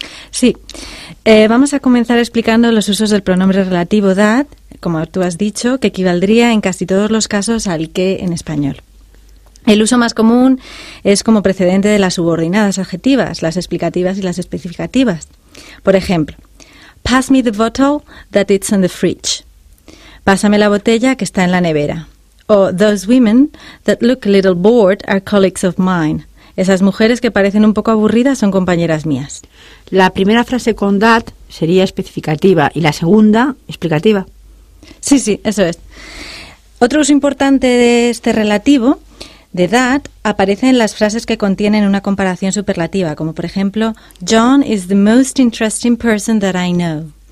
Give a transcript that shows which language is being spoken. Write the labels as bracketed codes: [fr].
[es] Sí. Vamos a comenzar explicando los usos del pronombre relativo that, como tú has dicho, que equivaldría en casi todos los casos al que en español. El uso más común es como precedente de las subordinadas adjetivas, las explicativas y las especificativas. Por ejemplo, [en] pass me the bottle that it's in the fridge. [es] Pásame la botella que está en la nevera. [en] O those women that look a little bored are colleagues of mine. [es] Esas mujeres que parecen un poco aburridas son compañeras mías. La primera frase con that sería especificativa y la segunda explicativa. Sí, sí, eso es. Otro uso importante de este relativo de that aparece en las frases que contienen una comparación superlativa, como por ejemplo, [en] John is the most interesting person that I know.